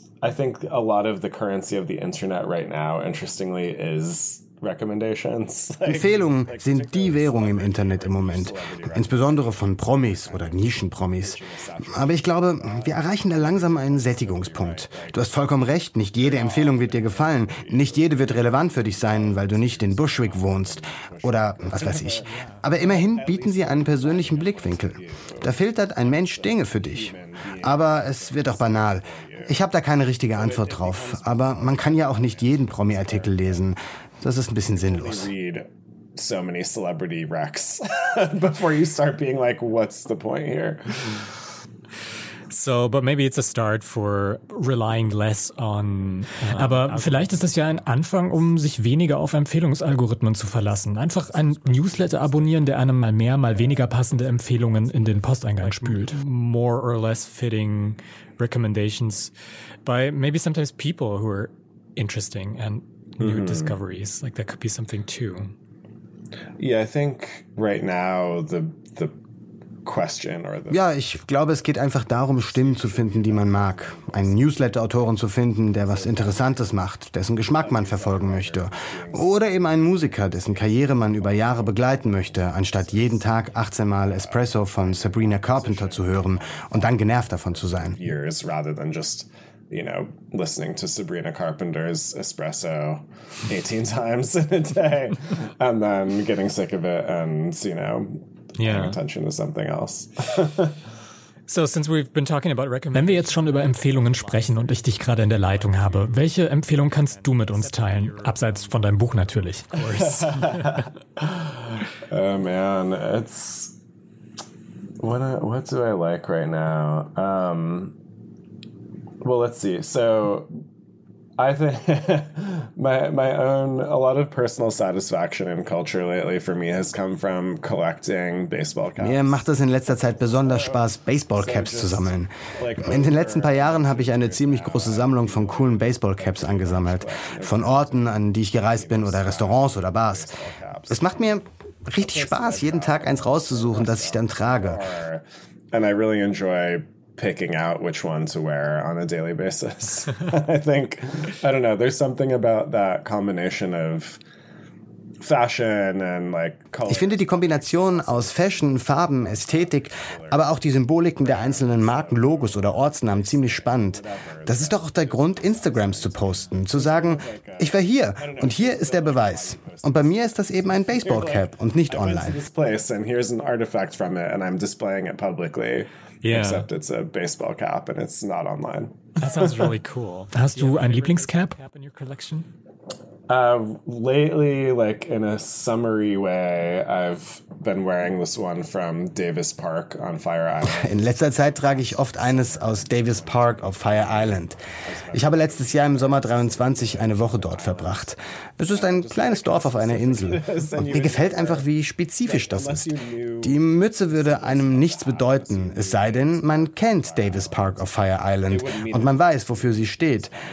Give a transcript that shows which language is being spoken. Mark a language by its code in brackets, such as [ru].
[en] I think a lot of the currency of the internet right now, interestingly, is recommendations. [de] Empfehlungen sind die Währung im Internet im Moment, insbesondere von Promis oder Nischenpromis. Aber ich glaube, wir erreichen da langsam einen Sättigungspunkt. Du hast vollkommen recht, nicht jede Empfehlung wird dir gefallen, nicht jede wird relevant für dich sein, weil du nicht in Bushwick wohnst oder was weiß ich. Aber immerhin bieten sie einen persönlichen Blickwinkel. Da filtert ein Mensch Dinge für dich. Aber es wird auch banal. Ich habe da keine richtige Antwort drauf, aber man kann ja auch nicht jeden Promi-Artikel lesen. Das ist ein bisschen sinnlos. [en] So many celebrity wrecks before you start being like, what's the point here? So, but maybe it's a start for relying less on. [de] Aber vielleicht ist das ja ein Anfang, um sich weniger auf Empfehlungsalgorithmen zu verlassen. Einfach ein Newsletter abonnieren, der einem mal mehr, mal weniger passende Empfehlungen in den Posteingang spült. [en] More or less fitting recommendations by maybe sometimes people who are interesting and new discoveries. Like, that could be something too. Yeah, I think right now the question or the... [de] Ja, ich glaube, es geht einfach darum, Stimmen zu finden, die man mag. Einen Newsletter-Autoren zu finden, der was Interessantes macht, dessen Geschmack man verfolgen möchte. Oder eben einen Musiker, dessen Karriere man über Jahre begleiten möchte, anstatt jeden Tag 18 Mal Espresso von Sabrina Carpenter zu hören und dann genervt davon zu sein. [en] Years rather than just, you know, listening to Sabrina Carpenter's Espresso 18 times in a day and then getting sick of it and, you know, yeah, paying attention to something else. So, since we've been talking about recommendations. [de] Wenn wir jetzt schon über Empfehlungen sprechen und ich dich gerade in der Leitung habe, welche Empfehlung kannst du mit uns teilen? Abseits von deinem Buch natürlich. [en] Of course. Oh man, it's... What do I like right now? Well, let's see. So, I think my own, a lot of personal satisfaction in culture lately for me has come from collecting baseball caps. [de] Mir macht es in letzter Zeit besonders Spaß, Baseball Caps zu sammeln. In den letzten paar Jahren habe ich eine ziemlich große Sammlung von coolen Baseball Caps angesammelt. Von Orten, an die ich gereist bin, oder Restaurants oder Bars. Es macht mir richtig Spaß, jeden Tag eins rauszusuchen, das ich dann trage. [en] And I really enjoy picking out which one to wear on a daily basis. I think, I don't know, there's something about that combination of fashion and like color. [de] Ich finde die Kombination aus Fashion, Farben, Ästhetik, aber auch die Symboliken der einzelnen Marken, Logos oder Ortsnamen ziemlich spannend. Das ist doch auch der Grund, Instagrams zu posten, zu sagen, ich war hier und hier ist der Beweis. Und bei mir ist das eben ein Baseballcap und nicht online. [en] This place and here's an artifact from it and I'm displaying it publicly. Yeah. Except it's a baseball cap and it's not online. That sounds really cool. [de] Hast du ein Lieblingscap [en] in your collection? Lately, like in a summery way, I've been wearing this one from Davis Park on Fire Island. [de] In letzter Zeit trage ich oft eines aus Davis Park auf Fire Island. Ich habe letztes Jahr im Sommer 23 eine Woche dort verbracht. Es ist ein kleines Dorf auf einer Insel. Und mir gefällt einfach, wie spezifisch das ist. Die Mütze würde einem nichts bedeuten, es sei denn, man kennt Davis Park auf Fire Island und man weiß, wofür sie steht.